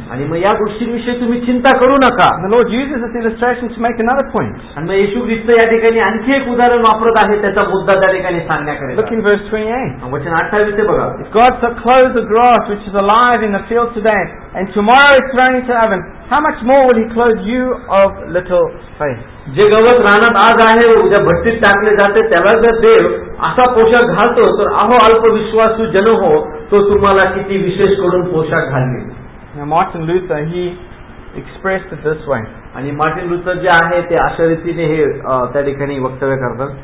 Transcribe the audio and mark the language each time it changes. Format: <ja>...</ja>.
<mr>आणि मग या गोष्टींविषयी तुम्ही चिंता करू नका.</mr> <en>The lord Jesus is illustration to make another point.</en> <mr>आणि मग येशू ख्रिस्त या ठिकाणी आणखी एक उदाहरण वापरत आहे त्याचा मुद्दा त्या ठिकाणी सांगण्याकडे.</mr> <en>Look in verse 28.</en> <mr>वचन 28 ते बघा.</mr> <en>God so clothe the grass which is alive in the field today and tomorrow it's thrown into the oven, how much more will He clothe you of little faith?</en> <mr>जे गवत रानात आज आहे उद्या भट्टीत टाकले जाते त्याला जर देव असा पोशाख घालतो तर अहो अल्प विश्वासू जन हो तो तुम्हाला किती विशेष करून पोशाख घालेल.</mr> <en>Martin Luther he expressed this way.</en> <mr>आणि मार्टिन लुथर जे आहे ते अशा रीतीने हे त्या ठिकाणी वक्तव्य करतात.</mr>